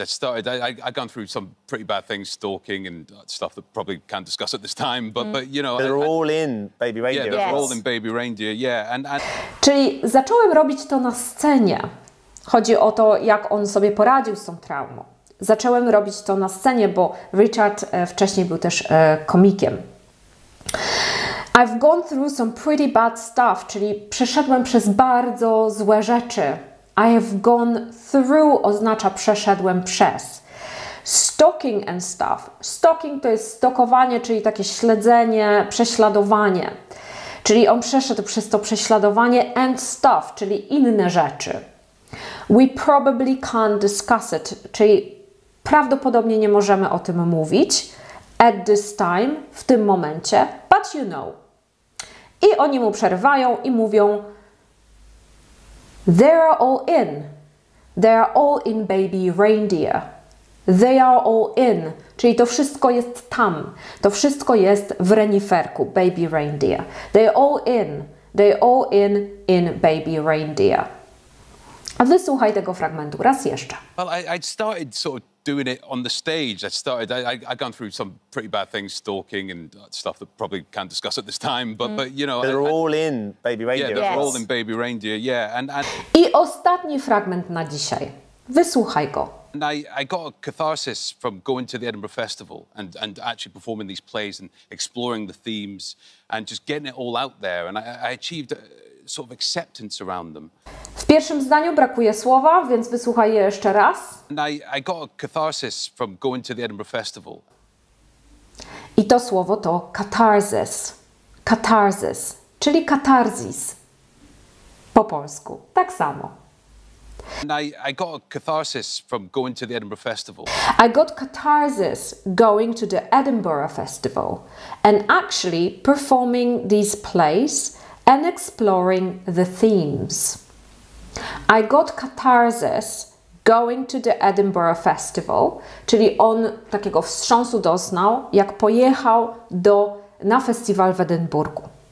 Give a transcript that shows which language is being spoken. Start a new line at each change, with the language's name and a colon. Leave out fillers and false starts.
English: I'd gone through some pretty bad things, stalking and stuff that probably can't discuss at this time, but you know. They're all in Baby Reindeer. Yeah, they're all in Baby Reindeer, yeah. And...
Polish: Czyli zacząłem robić to na scenie. Chodzi o to, jak on sobie poradził z tą traumą. Zacząłem robić to na scenie, bo Richard wcześniej był też komikiem.
English: I've gone through some pretty bad stuff,
Polish: czyli przeszedłem przez bardzo złe rzeczy.
English: I have gone through
Polish: oznacza przeszedłem przez.
English: Stalking and stuff.
Polish: Stalking to jest stokowanie, czyli takie śledzenie, prześladowanie. Czyli on przeszedł przez to prześladowanie
English: and stuff,
Polish: czyli inne rzeczy.
English: We probably can't discuss it,
Polish: czyli prawdopodobnie nie możemy o tym mówić
English: at this time,
Polish: w tym momencie,
English: but you know.
Polish: I oni mu przerywają i mówią
English: they are all in. They are all in Baby Reindeer. They are all in.
Polish: Czyli to wszystko jest tam. To wszystko jest w reniferku Baby Reindeer.
English: They are all in. They are all in Baby Reindeer.
Polish: A wysłuchaj tego fragmentu raz jeszcze.
English: Well, I started sort of doing it on the stage. I'd gone through some pretty bad things, stalking and stuff that probably can't discuss at this time, but you know. They're all in Baby Reindeer. Yeah, they're all in Baby Reindeer, yeah. And
Polish: I ostatni fragment na dzisiaj. Wysłuchaj go.
English: And I got a catharsis from going to the Edinburgh Festival and actually performing these plays and exploring the themes and just getting it all out there. And I achieved sort of acceptance around them.
Polish: W pierwszym zdaniu brakuje słowa, więc wysłuchaj je jeszcze raz.
English: And I got a catharsis from going to the Edinburgh Festival.
Polish: I to słowo to catharsis. Catharsis, czyli katarzis. Po polsku tak samo.
English: And I got a catharsis from going to the Edinburgh Festival. I got catharsis going to the Edinburgh Festival and actually performing these plays and exploring the themes. I got catharsis going to the Edinburgh Festival,
Polish: czyli on takiego wstrząsu doznał, jak pojechał na festiwal w Edynburgu.